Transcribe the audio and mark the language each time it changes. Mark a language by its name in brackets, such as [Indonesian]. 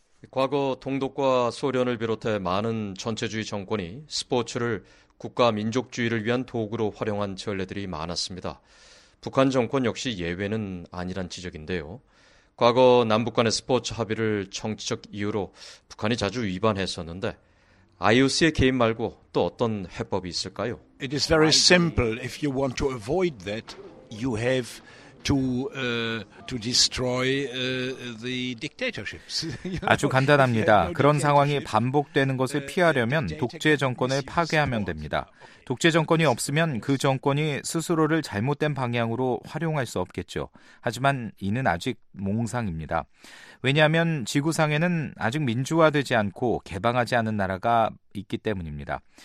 [Korean] 과거 동독과 소련을 비롯해 많은 전체주의 정권이 스포츠를 국가 민족주의를 위한 도구로 활용한 전례들이 많았습니다. 북한 정권 역시 예외는 아니란 지적인데요. 과거 남북 간의 스포츠 합의를 정치적 이유로 북한이 자주 위반했었는데 IOC의 개입 말고 또 어떤 해법이 있을까요? [English] It is very simple. If you want to avoid that, you have to destroy the dictatorships. [Korean] 아주 간단합니다. 그런 상황이 반복되는 것을 피하려면 독재 정권을 파괴하면 됩니다. 독재 정권이 없으면 그 정권이 스스로를 잘못된 방향으로 활용할 수 없겠죠. 하지만 이는 아직 몽상입니다. 왜냐하면 지구상에는 아직 민주화되지 않고 개방하지 않은 나라가 있기 때문입니다.